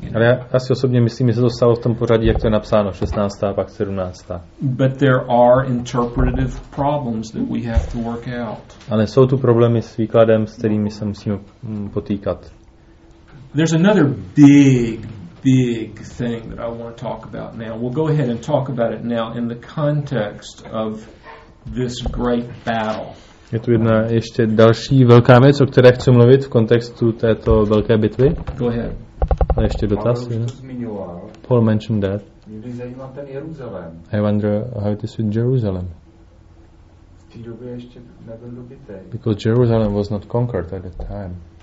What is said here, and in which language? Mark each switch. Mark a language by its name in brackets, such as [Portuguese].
[Czech] Ale já si osobně myslím, že se to stalo v tom pořadí, jak to je napsáno, 16. a pak 17. [English] But there are interpretive problems that we have to work out. [Czech] Ale jsou tu problémy s výkladem, s kterými se musíme potýkat. [English] There's another big thing that I want to talk about now. We'll go ahead and talk about it now in the context of this great battle. [Czech] Je tu jedna ještě další velká věc, o které chci mluvit v kontextu této velké bitvy. [English] Go ahead. [Czech] A ještě dotaz. [English] Paul mentioned that. [Czech] Mě by zajímá ten Jeruzalém. [English] I wonder how it is with Jerusalem. [Czech] V té době ještě nebyl dobitej. [English] Because Jerusalem was not conquered at that time.